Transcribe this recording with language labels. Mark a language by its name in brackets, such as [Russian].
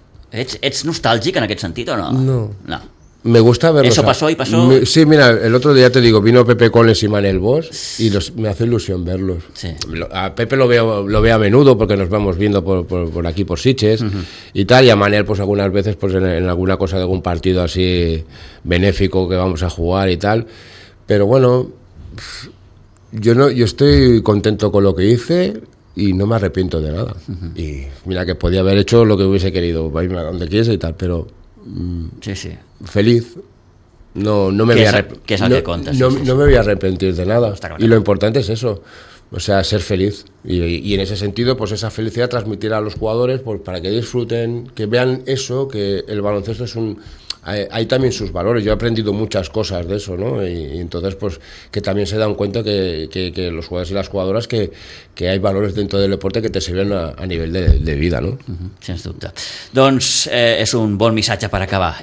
[Catalan] ¿Ets nostàlgic en aquest sentit o no? [Spanish] No. Me gusta verlos. Eso pasó y pasó. Sí, mira, el otro día te digo, vino Pepe Coles y Manel Bosch y me hace ilusión verlos. Sí. A Pepe lo veo a menudo porque nos vamos viendo por aquí, por Sitges, uh-huh, y tal, y a Manel pues algunas veces pues en alguna cosa de algún partido así benéfico que vamos a jugar y tal. Pero bueno, yo estoy contento con lo que hice y no me arrepiento de nada. Uh-huh. Y mira que podía haber hecho lo que hubiese querido, irme a donde quieras y tal, pero... Sí, sí. Feliz. No me voy a arrepentir de nada. Claro. Y lo importante es eso. O sea, ser feliz. Y en ese sentido, pues esa felicidad transmitir a los jugadores pues, para que disfruten, que vean eso, que el baloncesto es un... Hay también sus valores. Yo he aprendido muchas cosas de eso, ¿no? Y entonces, pues, que también se dan cuenta que los jugadores y las jugadoras que hay valores dentro del deporte que te sirven a nivel de vida, ¿no? [Catalan] Uh-huh. Sens dubte. Doncs és un bon missatge per acabar.